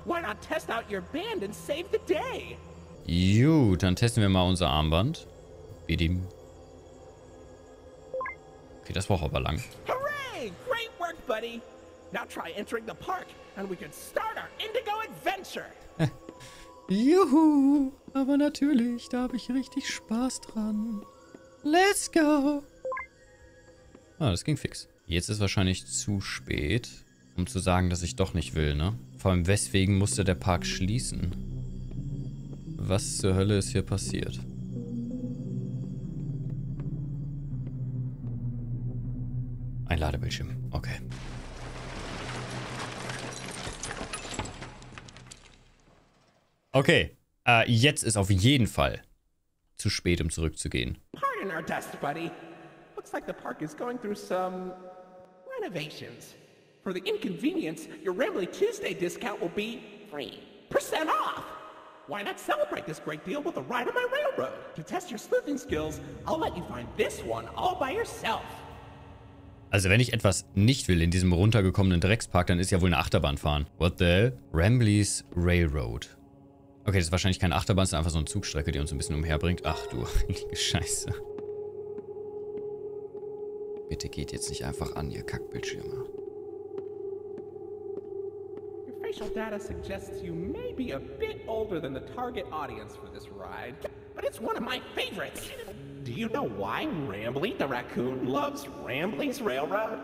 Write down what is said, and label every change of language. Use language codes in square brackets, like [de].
[en] Why not test out your band and save the day? [de] Gut, dann testen wir mal unser Armband. Bidim. Okay, das braucht aber lang. [en] Hooray! Great work, buddy. Now try entering the park and we can start our Indigo adventure. [de] Juhu, aber natürlich, da habe ich richtig Spaß dran. [en] Let's go. [de] Ah, das ging fix. Jetzt ist wahrscheinlich zu spät, um zu sagen, dass ich doch nicht will, ne? Vor allem, weswegen musste der Park schließen? Was zur Hölle ist hier passiert? Ein Ladebildschirm. Okay. Okay, jetzt ist auf jeden Fall zu spät, um zurückzugehen. [en] Pardon our dust, buddy. Looks like the park is going through some renovations. For the inconvenience, your Rambly Tuesday discount will be 3% off. Why not celebrate this great deal with a ride on my railroad? To test your sleuthing skills, I'll let you find this one all by yourself. [de] Also wenn ich etwas nicht will in diesem runtergekommenen Dreckspark, dann ist ja wohl eine Achterbahn fahren. [en] What the hell? [de] Rambly's Railroad. Okay, das ist wahrscheinlich keine Achterbahn, das ist einfach so eine Zugstrecke, die uns ein bisschen umherbringt. Ach du heilige Scheiße. Bitte geht jetzt nicht einfach an, ihr Kackbildschirme. [en] Your facial data suggests you may be a bit older than the target audience for this ride, but it's one of my favorites. Do you know why Rambly the Raccoon loves Rambly's Railroad?